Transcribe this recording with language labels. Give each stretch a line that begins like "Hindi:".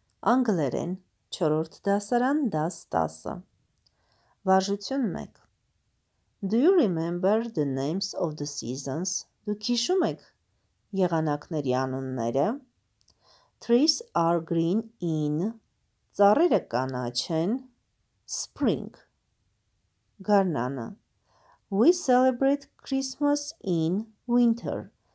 Armenian: Անգլերեն 4-րդ դասարան, դաս 10. Վարժություն 1.
English: Do you remember the names of the seasons?
Armenian: Դուք հիշո՞ւմ եք եղանակների անունները.
English: Trees are green in.
Armenian: Ծառերը կանաչ են.
English: Spring.
Armenian: Գարնանը.
English: We celebrate Christmas in winter.